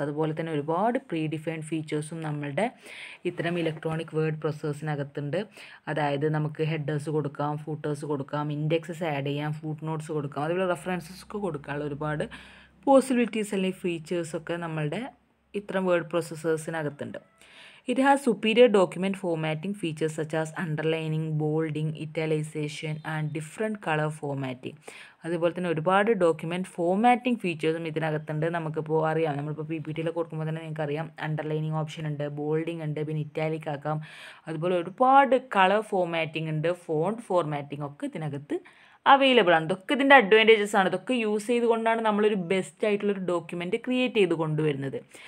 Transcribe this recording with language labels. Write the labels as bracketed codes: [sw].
[ml] അതുപോലെ തന്നെ ഒരുപാട് പ്രീ ഡിഫൈൻഡ് ഫീച്ചേഴ്സും നമ്മളുടെ ഇത്തരം ഇലക്ട്രോണിക് വേർഡ് പ്രോസസ്സിനകത്തുണ്ട്. അതായത് നമുക്ക് ഹെഡേഴ്സ് കൊടുക്കാം, ഫൂട്ടേഴ്സ് കൊടുക്കാം, ഇൻഡെക്സസ് ആഡ് ചെയ്യാം, ഫുട്ട് നോട്ട്സ് കൊടുക്കാം, അതുപോലെ റെഫറൻസസ് ഒക്കെ കൊടുക്കാനുള്ള ഒരുപാട് പോസിബിലിറ്റീസ് അല്ലെങ്കിൽ ഫീച്ചേഴ്സൊക്കെ നമ്മളുടെ ഇത്തരം word പ്രോസസ്സേഴ്സിനകത്തുണ്ട്. [en] It has superior document formatting features such as underlining, bolding, italicization, and different color formatting. [ml] അതുപോലെ തന്നെ ഒരുപാട് ഡോക്യുമെൻറ്റ് ഫോമാറ്റിംഗ് ഫീച്ചേഴ്സും ഇതിനകത്തുണ്ട്. നമുക്കിപ്പോൾ അറിയാം, നമ്മളിപ്പോൾ പി പി ടിയിൽ കൊടുക്കുമ്പോൾ തന്നെ നിങ്ങൾക്ക് അറിയാം അണ്ടർലൈനിങ് ഓപ്ഷൻ ഉണ്ട്, ബോൾഡിംഗ് ഉണ്ട്, പിന്നെ ഇറ്റാലിക് ആക്കാം. അതുപോലെ ഒരുപാട് കളർ ഫോമാറ്റിംഗ് ഉണ്ട്, ഫോണ്ട് ഫോർമാറ്റിംഗ് ഒക്കെ ഇതിനകത്ത് അവൈലബിൾ ആണ്. ഇതൊക്കെ ഇതിൻ്റെ അഡ്വാൻറ്റേജസ് ആണ്. ഇതൊക്കെ യൂസ് ചെയ്തുകൊണ്ടാണ് നമ്മളൊരു ബെസ്റ്റ് ആയിട്ടുള്ള ഒരു ഡോക്യുമെൻറ്റ് ക്രിയേറ്റ് ചെയ്ത് കൊണ്ടുവരുന്നത്.